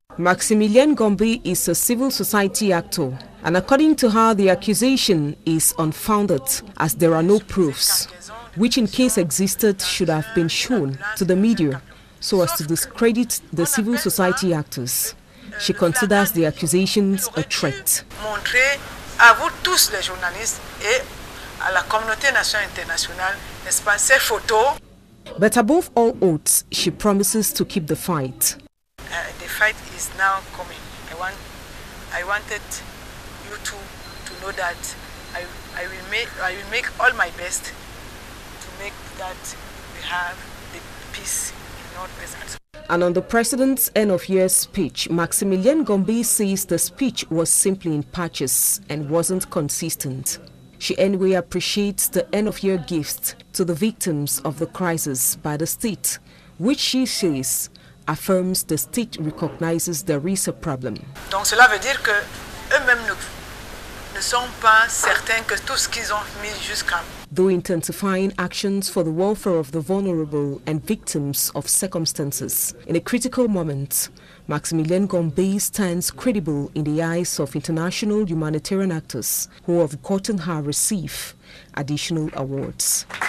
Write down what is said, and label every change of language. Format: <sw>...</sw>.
<en>Maximilian Gombe is a civil society actor, and according to her, the accusation is unfounded as there are no proofs, which in case existed should have been shown to the media so as to discredit the civil society actors. She considers the accusations a threat.</en> <fr>Montrer à vous tous les journalistes et à la communauté nationale internationale, n'est-ce pas, ces photos.</fr> <en>But above all odds, she promises to keep the fight. The fight is now coming. I wanted you to know that I will make all my best to make that we have the peace in North Desert. And on the president's end of year speech, Maximilian Gombe says the speech was simply in patches and wasn't consistent. She anyway appreciates the end of year gift to the victims of the crisis by the state, which she says affirms the state recognizes there is a problem.</en> <fr>Donc cela veut dire que eux-mêmes ne sont pas certains que tout ce qu'ils ont mis jusqu'à.</fr> <en>Though intensifying actions for the welfare of the vulnerable and victims of circumstances in a critical moment, Maximilian Gombe stands credible in the eyes of international humanitarian actors who have gotten her receive additional awards.</en>